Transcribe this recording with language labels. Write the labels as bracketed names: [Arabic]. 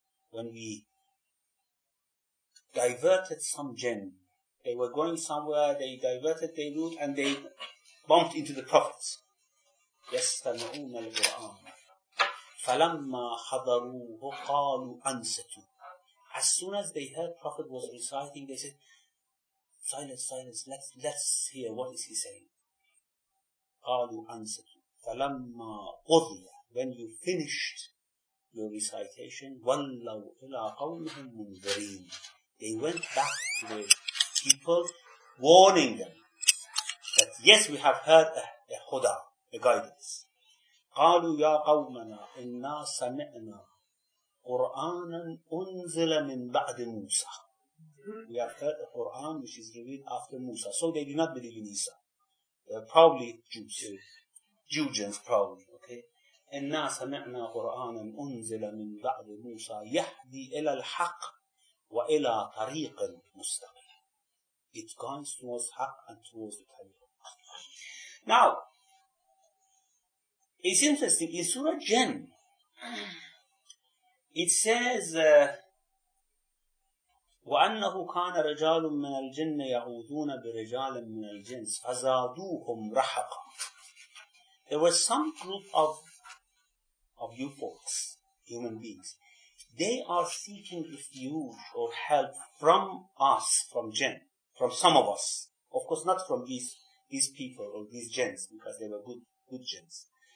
[English] When we diverted some jinn, they were going somewhere, they diverted their route, and they bumped into the prophets. [Arabic] يستمعون القرآن فلما حضروه قالوا أنصتوا. [English] As soon as they heard Prophet was reciting, they said, silence, silence, let's hear what is he saying. [Arabic] قالوا أنصتوا فلما قضي. [English] When you finished your recitation, [Arabic] ولوا إلى قومهم منذرين. [English] They went back to the people, warning them that yes, we have heard a huda, the guidance. [Arabic] قَالُوا يَا قَوْمَنَا إِنَّا سَمِعْنَا قُرْآنًا أُنزِلَ مِنْ بَعْدِ مُوسَى. [English] We have heard the Quran which is revealed after Musa. So they do not believe in Isa. They are probably Jews. Jews probably. Okay. [Arabic] إِنَّا سَمِعْنَا قُرْآنًا أُنزِلَ مِنْ بَعْدِ مُوسَى يَحْدِي إِلَى الْحَقِّ وَإِلَى طَرِيقٍ مُسْتَقِيمٍ. [English] It goes towards haq and towards the tariq. Now, it's interesting, in Surah Jinn, it says, [Arabic] وَأَنَّهُ كَانَ رَجَالٌ مِّنَ الْجِنِّ يَعُوذُونَ بِرِجَالٍ مِّنَ الْجِنِّ فَزَادُوهُمْ رَحَقًا. [English] There was some group of you folks, human beings, they are seeking refuge or help from us, from Jinn, from some of us. Of course, not from these people or these jinns, because they were good jinns.